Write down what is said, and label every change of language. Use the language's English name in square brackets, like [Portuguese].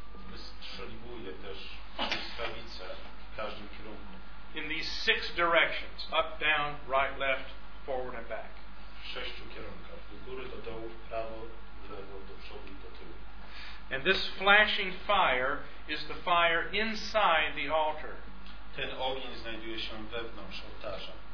[Polish] Wystrzeliwuje też błyskawice w każdym kierunku. [English] In these six directions, up, down, right, left, forward and back. [Polish] W sześciu kierunkach, do góry, do dołu, w prawo, w lewo, do przodu i do tyłu. [English] And this flashing fire is the fire inside the altar. [Polish] Ten ogień znajduje się wewnątrz ołtarza.